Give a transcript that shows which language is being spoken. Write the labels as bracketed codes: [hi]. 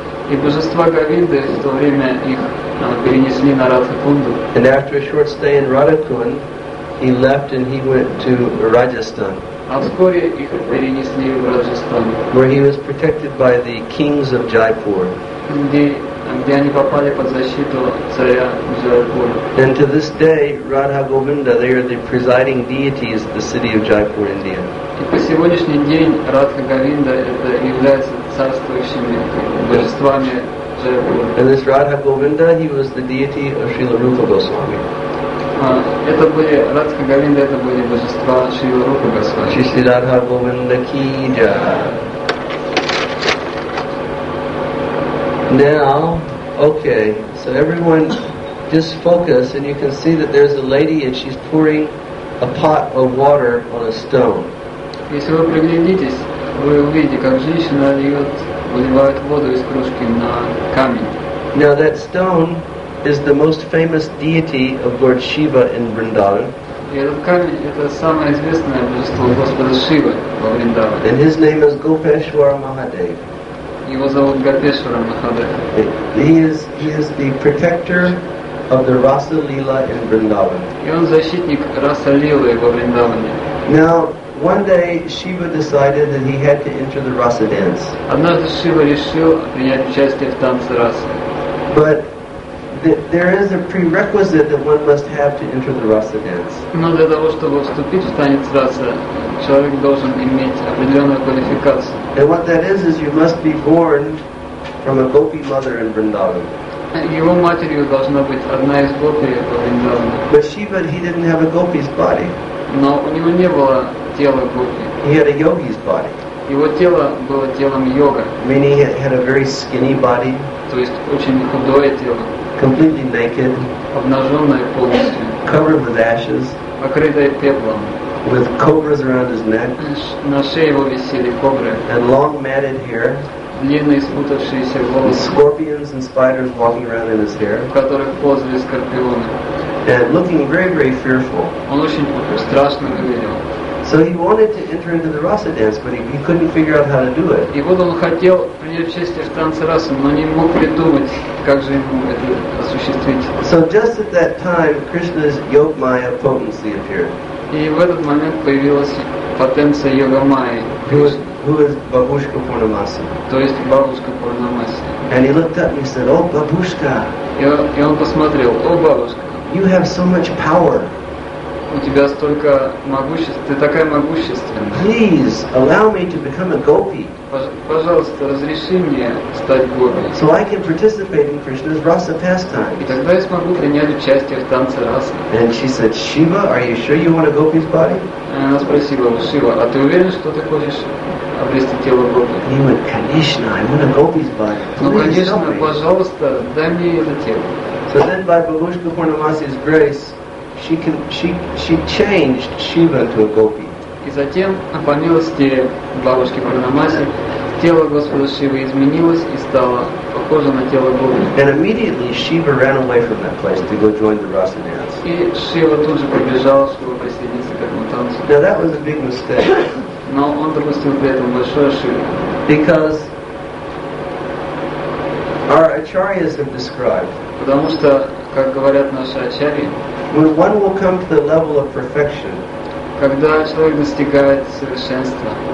[ru] И божества Говинды в то время их перенесли на Радхакунду. [en] And after a short stay in Radhakund, he left and he went to Rajasthan. [ru] А вскоре их перенесли в Раджастан. [en] Where he was protected by the kings of Jaipur. [ru] Где они попали под защиту царя Джайпура. [en] And to this day, Radha Govinda, they are the presiding deities of the city of Jaipur, India. [ru] И по сегодняшний день Радха Говинда это является царствующими божествами Джайпура. [en] And this Radha Govinda, he was the deity of Srila Rupa Goswami. [ru] Это были Радха Говинда, это были божества Шрила Рупа Госвами. Шри Радха Говинда ки джай. [en] Now, okay, so everyone just focus, and you can see that there's a lady and she's pouring a pot of water on a stone. [ru] Если вы приглядитесь, вы увидите, как женщина выливает воду из кружки на камень. [en] Now that stone is the most famous deity of Lord Shiva in Vrindavan. [ru] И этот камень – это самое известное божество Господа Шивы во Вриндаване. [en] And his name is Gopeshwara Mahadev. [ru] Его зовут Гопешвара Махадев. [en] He is the protector of the Rasa Lila in Vrindavan. [ru] И он защитник Раса Лилы во Вриндаване. [en] Now, one day Shiva decided that he had to enter the Rasa dance. [ru] Однажды Шива решил принять участие в танце Раса. [en] But there is a prerequisite that one must have to enter the Rasa dance. [ru] Но для того, чтобы вступить в танец Раса, человек должен иметь определенную квалификацию. [en] And what that is you must be born from a gopi mother in Vrindavan. [ru] Его матерью должна быть одна из гопи во Вриндаване. [en] But Shiva, he didn't have a gopi's body. [ru] Но у него не было тела гопи. [en] He had a yogi's body. [ru] Его тело было телом йога. [en] Meaning he had a very skinny body. [ru] То есть очень худое тело. [en] Completely naked. [ru] Обнаженное полностью. [en] Covered with ashes. [ru] Покрытое пеплом. [en] With cobras around his neck. [ru] На шее его висели кобры. [en] And long matted hair. [ru] Длинные спутавшиеся волосы. [en] Scorpions and spiders walking around in his hair. [ru] В которых ползали скорпионы. [en] and looking very, very fearful. [ru] Он очень страшно выглядел. [en] So he wanted to enter into the rasa dance, but he couldn't figure out how to do it. [ru] И вот он хотел принять участие в танце расы, но не мог придумать, как же ему это осуществить. [en] So just at that time, Krishna's yoga maya potency appeared. [ru] И в этот момент появилась потенция йога майи. [en] Who is Бабушка Пурнамаса? [ru] То есть Бабушка Пурнамаса. [en] And he looked up and he said, "Oh, Бабушка!" [ru] И он посмотрел, "О, Бабушка!" [en] You have so much power. [ru] У тебя столько могущества, ты такая могущественная. [en] Please allow me to become a gopi. [ru] Пожалуйста, разреши мне стать гопи. [en] So I can participate in Krishna's rasa pastimes. [ru] И тогда я смогу принять участие в танце расы. [en] And she said, "Shiva, are you sure you want a gopi's body?" [ru] Она спросила, "Шива, а ты уверен, что ты хочешь обрести тело гопи?" [en] He went, "Конечно, I want a gopi's body." [ru] Ну, конечно, пожалуйста, дай мне это тело. [en] So then by Бабушка Пурнамаси's grace, she changed Shiva to a gopi. [ru] И затем, по милости Бабушки Пурнамаси, тело Господа Шивы изменилось и стало похоже на тело гопи. [en] And immediately Shiva ran away from that place to go join the rasa dance. [ru] И Шива тут же побежал, чтобы присоединиться к этому танцу. [en] Now that was a big mistake. [ru] Но он допустил при этом большую ошибку. [en] Because our acharyas have described. [ru] Потому что, как говорят наши ачарьи, [en] when one will come to the level of perfection, [ru] когда человек достигает совершенства,